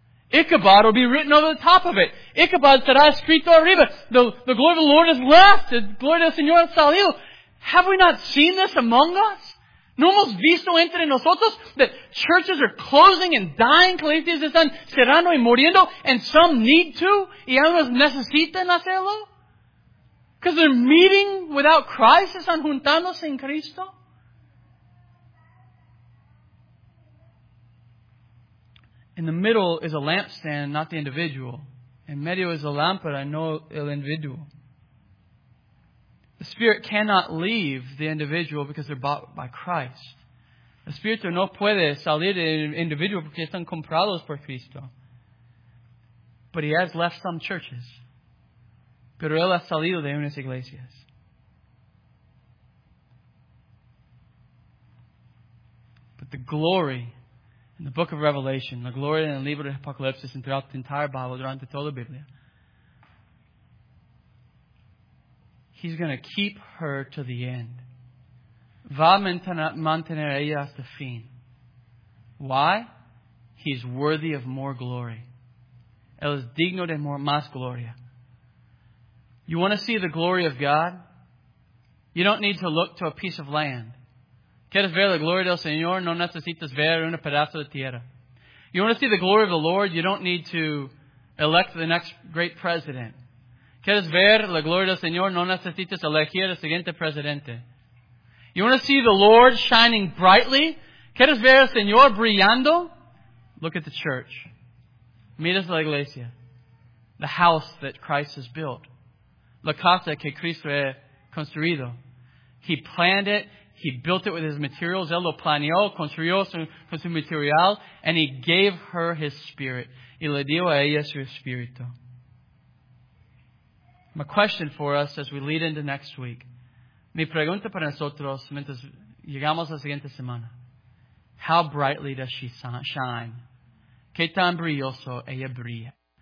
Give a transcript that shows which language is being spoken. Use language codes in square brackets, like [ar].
[en] Ichabod will be written over the top of it. [es] Ichabod será escrito arriba. [en] The glory of the Lord is left. The glory [es] del Señor es salido. [en] Have we not seen this among us? [es] No hemos visto entre nosotros [en] that churches are closing and dying. [es] Iglesias están cerrando y muriendo. [en] And some need to. [es] Y algunos necesitan hacerlo. [en] Because they're meeting without Christ. [es] Están juntándose en Cristo. [en] In the middle is a lampstand, not the individual. [es] En medio [en] is a [es] lámpara, no el individuo. [en] The Spirit cannot leave the individual because they're bought by Christ. [es] El Espíritu no puede salir del individuo porque están comprados por Cristo. [en] But He has left some churches. [es] Pero Él ha salido de unas iglesias. [en] But the glory in the book of Revelation, the glory in the [es] libro de Apocalipsis, [en] and throughout the entire Bible, [es] durante toda la Biblia, [en] He's going to keep her to the end. [es] Va a mantener ella hasta fin. [en] Why? He's worthy of more glory. [es] Él es digno de más gloria. [en] You want to see the glory of God? You don't need to look to a piece of land. [es] ¿Quieres ver la gloria del Señor? No necesitas ver un pedazo de tierra. [en] You want to see the glory of the Lord? You don't need to elect the next great president. [es] ¿Quieres ver la gloria del Señor? No necesitas elegir el siguiente presidente. [en] You want to see the Lord shining brightly? [es] ¿Quieres ver el Señor brillando? [en] Look at the church. [es] Mira la iglesia. [en] The house that Christ has built. [es] La casa que Cristo ha construido. [en] He planned it. He built it with His materials. [es] Él lo planeó, construyó con su material. [en] And He gave her His Spirit. [es] Y le dio a ella su Espíritu. [en] My question for us as we lead into next week. [es] Mi pregunta para nosotros mientras llegamos a la siguiente semana. [en] how brightly does she shine. [es] Qué tan brilloso ella brilla.